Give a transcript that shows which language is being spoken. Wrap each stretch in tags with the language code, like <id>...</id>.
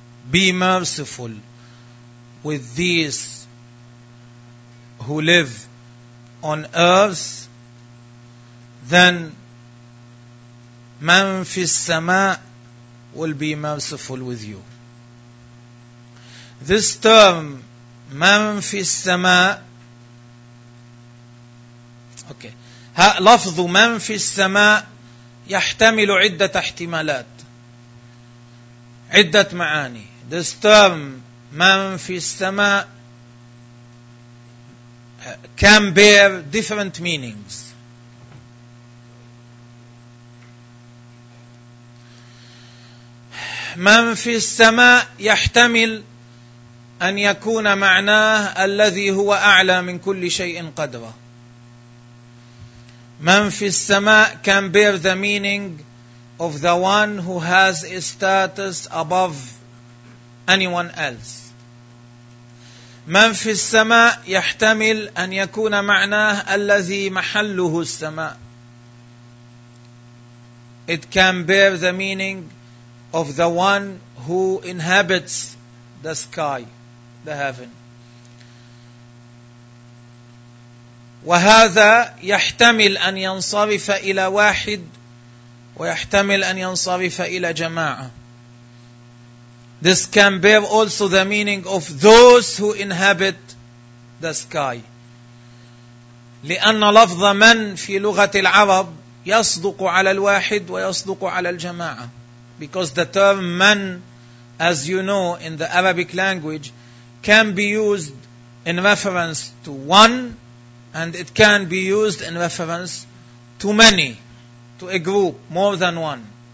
<en>Be merciful with these who live on earth, then man fi as-samaa will be merciful with you. This term, man fi as-samaa, okay,</en> <ar>لفظ من في السماء يحتمل عدة احتمالات, عدة معاني.</ar> <en>This term, من في السماء, can bear different meanings.</en> <ar>من في السماء يحتمل أن يكون معناه الذي هو أعلى من كل شيء قدرة.</ar> <en>من في السماء can bear the meaning of the one who has a status above anyone else.</en> <ar>من في السماء يحتمل أن يكون معناه الذي محله السماء.</ar> <en>It can bear the meaning of the one who inhabits the sky, the heaven.</en> <ar>وهذا يحتمل أن ينصرف إلى واحد ويحتمل أن ينصرف إلى جماعة.</ar> <en>This can bear also the meaning of those who inhabit the sky.</en> <ar>لأن لفظ من في لغة العرب يصدق على الواحد ويصدق على الجماعة.</ar> <en>Because the term من, as you know, in the Arabic language, can be used in reference to one, and it can be used in reference to many, to a group, more than one.</en>